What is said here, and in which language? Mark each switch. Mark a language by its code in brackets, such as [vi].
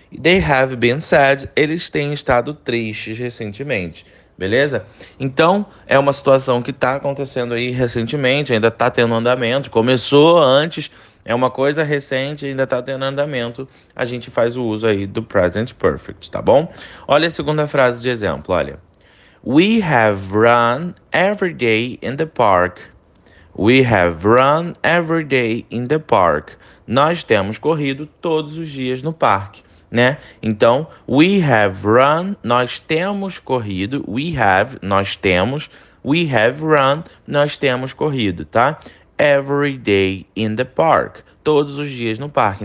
[en] They have been sad. [pt] Eles têm estado tristes recentemente. Beleza? Então, é uma situação que está acontecendo aí recentemente, ainda está tendo andamento. Começou antes, é uma coisa recente, ainda está tendo andamento. A gente faz o uso aí do present perfect, tá bom? Olha a segunda frase de exemplo, olha. [en] We have run every day in the park. We have run every day in the park. [pt] Nós temos corrido todos os dias no parque. Né? Então, [en] we have run, [pt] nós temos corrido, [en] we have, [pt] nós temos, we have run, nós temos corrido, tá? [en] Every day in the park, [pt] todos os dias no parque.